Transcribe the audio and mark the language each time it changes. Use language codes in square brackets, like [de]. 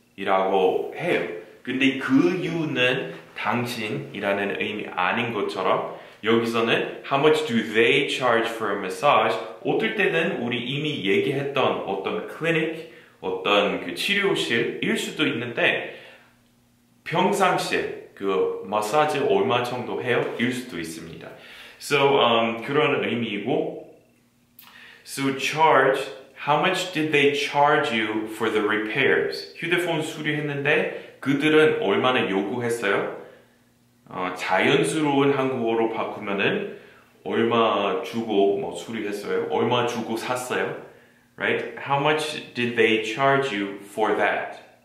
[ko] 이라고 해요. 근데 그 이유는 당신이라는 의미 아닌 것처럼 여기서는 [en] How much do they charge for a massage? [ko] 어떨 때는 우리 이미 얘기했던 어떤 클리닉, 어떤 그 치료실일 수도 있는데 평상시에 그 마사지 얼마 정도 해요? 일 수도 있습니다. [en] So [ko] 그런 의미이고 [en] So charge, how much did they charge you for the repairs? [ko] 휴대폰 수리했는데 그들은 얼마나 요구했어요? 자연스러운 한국어로 바꾸면은 얼마 주고 뭐 수리했어요? 얼마 주고 샀어요? Right? [en] How much did they charge you for that?